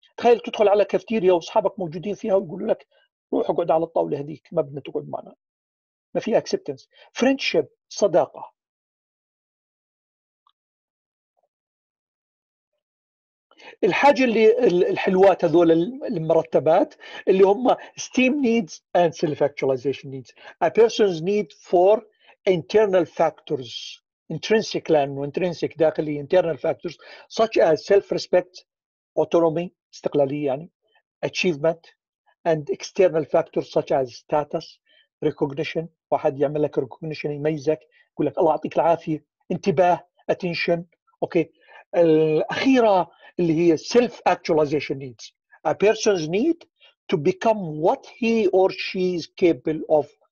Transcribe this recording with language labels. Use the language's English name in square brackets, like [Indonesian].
[Arabic] تخيل تدخل على كافتيريا وصحابك موجودين فيها ويقولوا لك روح اقعد على الطاولة هذيك ما بدنا تقعد معنا ما في acceptance. friendship صداقة. [English] الحاجة اللي الحلوات هذول المرتبات اللي هم steam needs and self-actualization needs a person's need for internal factors intrinsic لأنه intrinsic داخلي internal factors such as self-respect autonomy استقلالية يعني achievement and external factors such as status recognition. [Arabic] واحد يعمل لك recognition يميزك يقول لك الله يعطيك العافية انتباه attention. [English] Okay الأخيرة اللي هي self-actualization needs a person's need to become what he or she is capable of.